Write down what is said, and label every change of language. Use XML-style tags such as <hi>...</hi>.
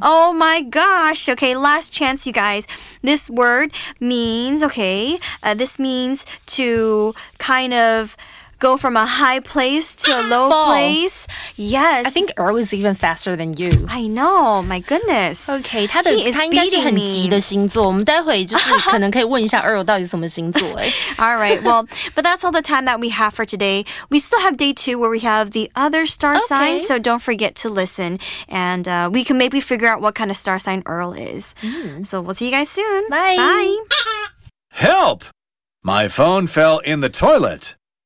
<en>Oh my gosh. Okay, last chance, you guys. This word means, okay, this means to... kind of go from a high place to a low place. Yes. I think Earl is even faster than you. I know. My goodness.</en> <zh>Okay, 他的他应该是很急的星座。我们待会就是可能可以问一下 Earl 到底什么星座。</zh> <en>All right. Well, but that's all the time that we have for today. We still have day two where we have the other star signs. So don't forget to listen. And we can maybe figure out what kind of star sign Earl is. So we'll see you guys soon. Bye. Bye. Help! My phone fell in the toilet.</en>